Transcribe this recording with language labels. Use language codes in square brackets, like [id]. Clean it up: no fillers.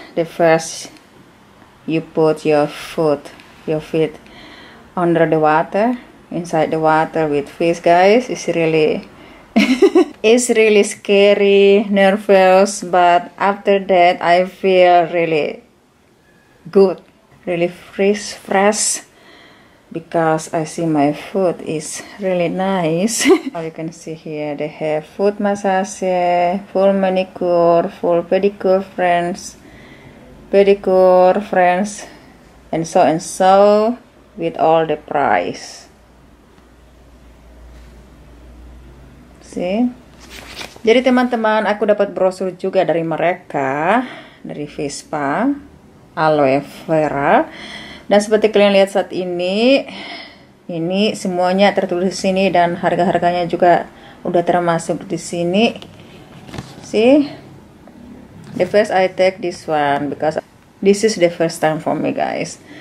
[en] The first you put your feet under the water, inside the water with fish, guys, it's really it's really scary, nervous, but after that I feel really good, really fresh because I see my food is really nice. Oh, you can see here they have foot massage, full manicure, full pedicure, friends, and so with all the price. See? [id] Jadi teman-teman, aku dapat brosur juga dari mereka, dari Vespa Aloe Vera. Dan seperti kalian lihat saat ini semuanya tertulis di sini dan harga-harganya juga udah termasuk di sini. [en] See? The first I take this one because this is the first time for me, guys.